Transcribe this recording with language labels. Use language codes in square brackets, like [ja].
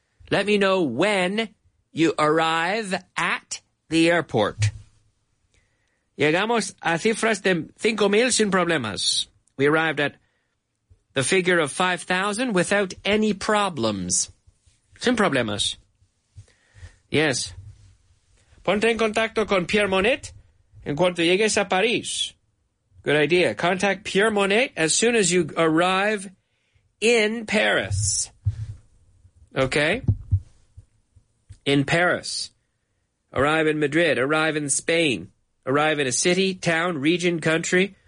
[en] Let me know when you arrive at the airport. [es] Llegamos a cifras de 5,000 sin problemas. [en] We arrived at the figure of 5,000 without any problems. [es] Sin problemas. Yes. Ponte en contacto con Pierre Monnet en cuanto llegues a París. [en] Good idea. Contact Pierre Monnet as soon as you arrive in Paris. Okay? In Paris. Arrive in Madrid. Arrive in Spain. Arrive in a city, town, region, country.